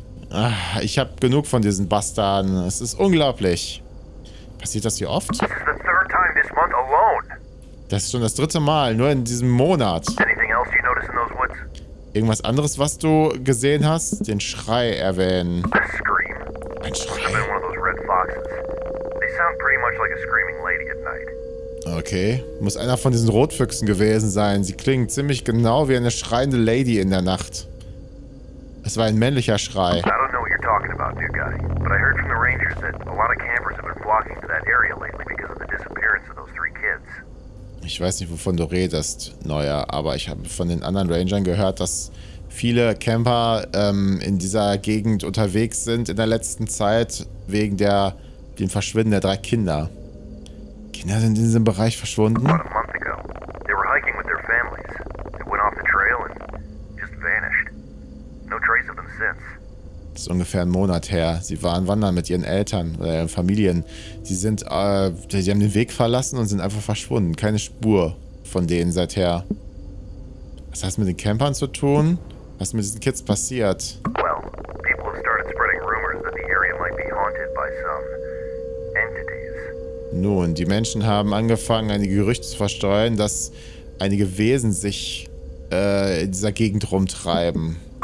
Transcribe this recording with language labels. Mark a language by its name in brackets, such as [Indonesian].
[German] Ach, ich habe genug von diesen Bastarden. Es ist unglaublich. Passiert das hier oft? [English] This is the third time this month alone. [German] Das ist schon das dritte Mal, nur in diesem Monat. [English] Anything else you notice in those woods? [German] irgendwas anderes, was du gesehen hast? Den Schrei erwähnen. [English] A scream. [German] Ein Schrei. [English] Could have been one of those red foxes. They sound pretty much like a screaming lady at night. Okay. [German] Muss einer von diesen Rotfüchsen gewesen sein. Sie klingen ziemlich genau wie eine schreiende Lady in der Nacht. Es war ein männlicher Schrei. [English] I don't know what you're talking about, new guy. But I heard from the Rangers that a lot of campers have been flocking to that area lately because of the disappearance of those three kids. [German] Ich weiß nicht, wovon du redest, Neuer, aber ich habe von den anderen Rangern gehört, dass viele Camper in dieser Gegend unterwegs sind in der letzten Zeit wegen dem Verschwinden der drei Kinder. Kinder sind in diesem Bereich verschwunden? [English] About a month ago, they were hiking with their families. They went off the trail and just vanished. No trace of them since. [German] Das ist ungefähr ein Monat her. Sie waren wandern mit ihren Eltern oder ihren Familien. Sie sind, sie haben den Weg verlassen und sind einfach verschwunden. Keine Spur von denen seither. Was hat es mit den Campern zu tun? Was ist mit diesen Kids passiert? [English] Well, people have started spreading rumors that the area might be haunted by some entities. [German] Nun, die Menschen haben angefangen, einige Gerüchte zu verstreuen, dass einige Wesen sich in dieser Gegend rumtreiben.